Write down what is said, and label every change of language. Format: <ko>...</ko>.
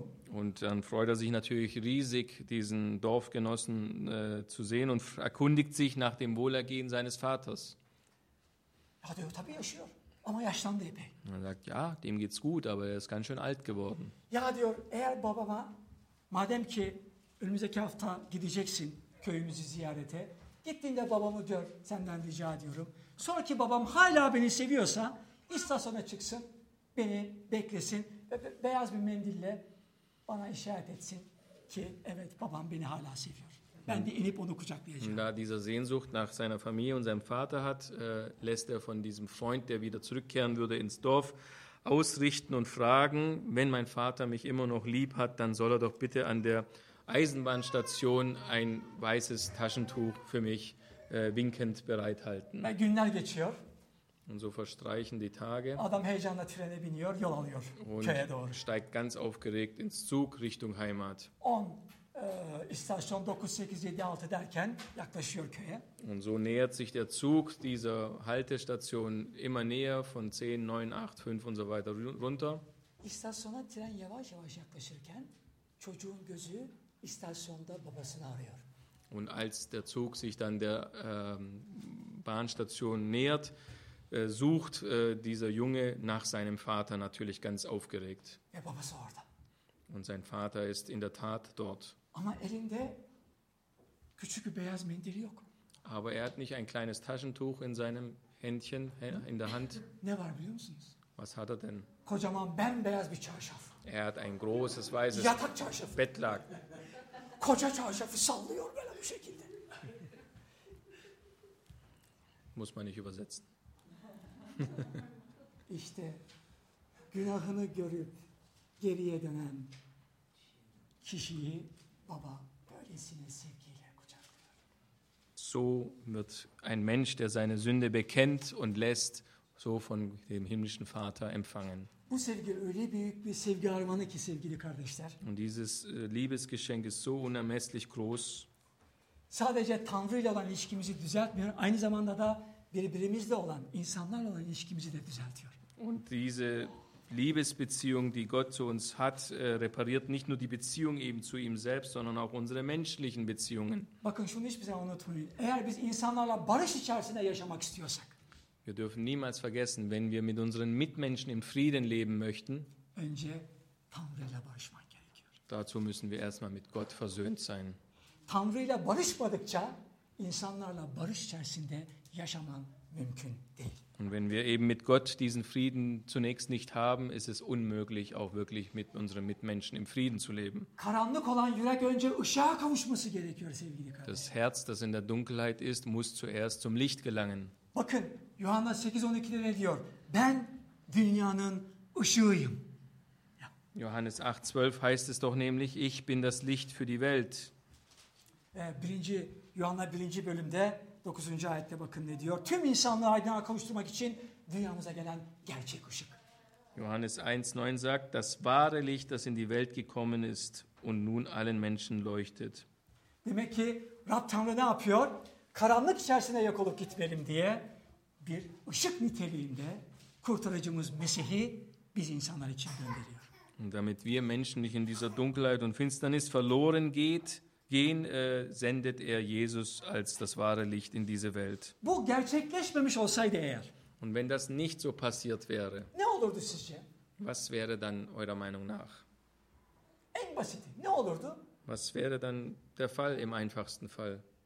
<de>Und dann freut er sich natürlich riesig, diesen Dorfgenossen zu sehen und erkundigt sich nach dem Wohlergehen seines Vaters.</de> <tr>Ama yaşlandı epey.</tr> <de>Er sagt, ja, dem geht's gut, aber er ist ganz schön alt geworden.</de> <tr>Ja, diyor, eğer babama, madem ki önümüzdeki hafta gideceksin köyümüzü ziyarete. Gittiğinde babamı gör, senden rica ediyorum. Sonra ki babam hala beni seviyorsa istasyona çıksın, beni beklesin ve beyaz bir mendille bana işaret etsin ki evet babam beni hala seviyor. Ben de inip onu kucaklayacağım.</tr> <de>Da dieser Sehnsucht nach seiner Familie und seinem Vater hat, lässt er von diesem Freund, der wieder zurückkehren würde, ins Dorf ausrichten und fragen, wenn mein Vater mich immer noch lieb hat, dann soll er doch bitte an der Eisenbahnstation ein weißes Taschentuch für mich winkend bereithalten.</de> <tr>Günler geçiyor.</tr> <de>Und so verstreichen die Tage.</de> <tr>Adam heyecanla trene biniyor, yol alıyor</tr> <de>und</de> <tr>köye doğru.</tr> <de>Steigt ganz aufgeregt ins Zug Richtung Heimat.</de> <tr>İstasyon 9, 8, 7, 6 derken yaklaşıyor köye.</tr> <de>Und so nähert sich der Zug dieser Haltestation immer näher von 10, 9, 8, 5 und so weiter runter.</de> <tr>İstasyona tren yavaş yavaş yaklaşırken çocuğun gözü istasyonda babasını arıyor.</tr> <de>Und als der Zug sich dann der Bahnstation nähert, sucht dieser Junge nach seinem Vater natürlich ganz aufgeregt.</de> <tr>Ja, babası orada.</tr> <de>Und sein Vater ist in der Tat dort.</de> <tr>Ama elinde küçük bir beyaz mendil yok.</tr> <de>Aber er hat nicht ein kleines Taschentuch in seinem Händchen, in der Hand.</de> <tr>Ne var biliyor musunuz?</tr> <de>Was hat er denn?</de> <tr>Kocaman bembeyaz bir çarşaf.</tr> <de>Er hat ein großes weißes</de> <tr>yatak çarşafı.</tr> <de>Bettlaken.</de> <tr>Koca çarşafı sallıyor böyle bir şekilde.</tr> <de>Muss man nicht übersetzen.</de> <tr>İşte günahını görüp geriye dönen kişiyi baba böylesine sevgiyle kucaklıyor.</tr> <de>So wird ein Mensch, der seine Sünde bekennt und lässt, so von dem himmlischen Vater empfangen.</de> <tr>Bu sevgi öyle büyük bir sevgi armağanı ki sevgili kardeşler.</tr> <de>Und dieses Liebesgeschenk ist so unermesslich groß.</de> <tr>Sadece Tanrı'yla olan ilişkimizi düzeltmiyor, aynı zamanda da birbirimizle olan, insanlarla olan ilişkimizi de düzeltiyor.</tr> <de>Und diese Liebesbeziehung, die Gott zu uns hat, repariert nicht nur die Beziehung eben zu ihm selbst, sondern auch unsere menschlichen Beziehungen.</de> <tr>Bakın şunu hiçbir zaman unutmayın. Eğer biz insanlarla barış içerisinde yaşamak istiyorsak,</tr> <de>wir dürfen niemals vergessen, wenn wir mit unseren Mitmenschen im Frieden leben möchten,</de> <tr>önce Tanrı'yla barışmak gerekiyor.</tr> <de>Dazu müssen wir erstmal mit Gott versöhnt sein.</de> <tr>Tanrı'yla barışmadıkça insanlarla barış içerisinde yaşaman mümkün değil.</tr> <de>Und wenn wir eben mit Gott diesen Frieden zunächst nicht haben, ist es unmöglich, auch wirklich mit unseren Mitmenschen im Frieden zu leben.</de> <tr>Karanlık olan yürek önce ışığa kavuşması gerekiyor sevgili kardeşlerim.</tr> <de>Das Herz, das in der Dunkelheit ist, muss zuerst zum Licht gelangen.</de> <tr>Bakın, Yuhanna 8:12'de ne diyor? Ben dünyanın ışığıyım.</tr> <de>Johannes 8:12 heißt es doch nämlich, ich bin das Licht für die Welt.</de> <tr>1. Yuhanna 1. bölümde 9. ayette bakın ne diyor. Tüm insanlığı aydınlığa kavuşturmak için dünyamıza gelen gerçek ışık.</tr> <de>Johannes 1,9 sagt, das wahre Licht, das in die Welt gekommen ist und nun allen Menschen leuchtet.</de> <tr>Demek ki Rab Tanrı ne yapıyor? Karanlık içerisine yok olup gitmeyelim diye bir ışık niteliğinde kurtarıcımız Mesih'i biz insanlar için gönderiyor.</tr> <de>Und damit wir Menschen nicht in dieser Dunkelheit und Finsternis verloren gehen, sendet Jesus als das wahre Licht in diese Welt.</de> <tr>Bu gerçekleşmemiş olsaydı eğer.</tr> <de>Und wenn das nicht so passiert wäre.</de> <tr>Ne olurdu sizce?</tr> <de>Was wäre dann eurer Meinung nach?</de> <tr>En basiti, ne olurdu?</tr> <de>Was wäre dann der Fall im einfachsten Fall?</de>